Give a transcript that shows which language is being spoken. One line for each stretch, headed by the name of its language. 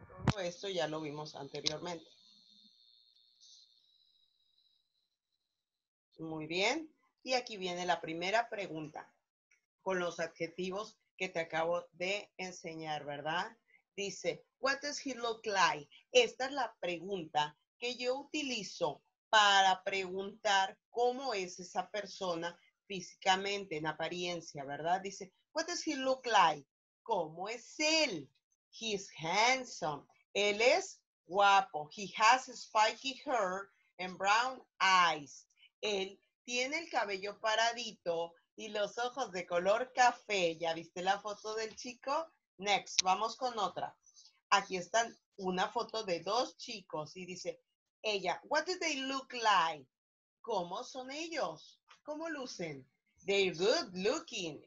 Spanish: Todo esto ya lo vimos anteriormente. Muy bien. Y aquí viene la primera pregunta con los adjetivos que te acabo de enseñar, ¿verdad?
English: Dice, what does he look like?
Spanish: Esta es la pregunta que yo utilizo para preguntar cómo es esa persona físicamente, en apariencia, ¿verdad?
English: Dice, what does he look like?
Spanish: ¿Cómo es él?
English: He's handsome.
Spanish: Él es guapo.
English: He has spiky hair and brown eyes.
Spanish: Él tiene el cabello paradito y los ojos de color café. ¿Ya viste la foto del chico? Next, vamos con otra. Aquí están una foto de dos chicos y dice, ella,
English: what do they look like?
Spanish: ¿Cómo son ellos? ¿Cómo lucen?
English: They're good looking.